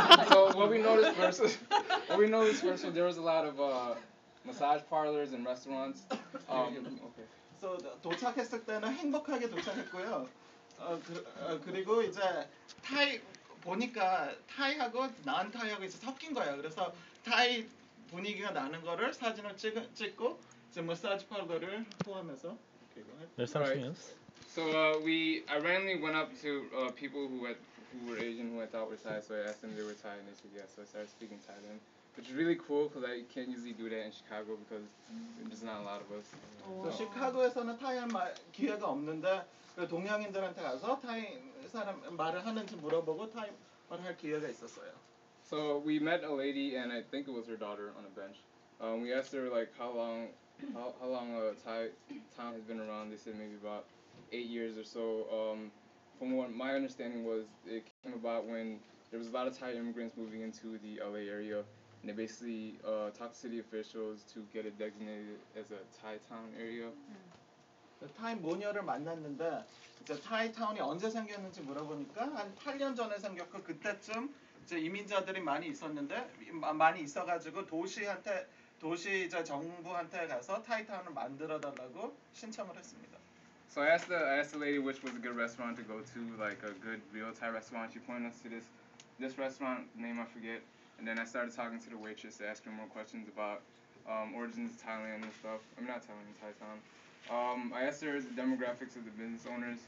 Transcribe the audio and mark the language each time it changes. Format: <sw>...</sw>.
<en>So what we noticed first, there was a lot of massage parlors and restaurants. Okay.</en> <ko>So 도착했을 때는 행복하게 도착했고요. 그리고 이제 타이 보니까 타이하고 난타이하고 이제 섞인 거예요. 그래서 타이 분위기가 나는 거를 사진을 찍고 이제 마사지 파도를 포함해서</ko> <en>There's something else. So I randomly went up to people who were Asian who I thought were Thai. So I asked them if they were Thai and they said yes. So I started speaking Thai to them, which is really cool because I can't usually do that in Chicago because there's not a lot of us.</en> <ko>So 시카고에서는 타이어 말 기회가 없는데 그 동양인들한테 가서 타이 사람 말을 하는지 물어보고 타이 말할 기회가 있었어요.</ko> <en>So we met a lady and I think it was her daughter on a bench. We asked her like how long Thai Town has been around. They said maybe about 8 years or so. From what my understanding was, it came about when there was a lot of Thai immigrants moving into the LA area, and they basically talked to city officials to get it designated as a Thai Town area.</en> <ko>The Thai 모녀를 만났는데 이제 Thai Town이 언제 생겼는지 물어보니까 한 8년 전에 생겼고 그때쯤 이제 이민자들이 많이 있었는데 많이 있어가지고 도시한테 도시 이제 정부한테 가서 타이 타운을 만들어 달라고 신청을 했습니다.</ko> <en>So I asked the lady which was a good restaurant to go to, like a good real Thai restaurant. She pointed us to this restaurant name I forget. And then I started talking to the waitress to ask her more questions about origins of Thailand and stuff. I mean not Thailand, Thai Town. I asked her the demographics of the business owners.</en>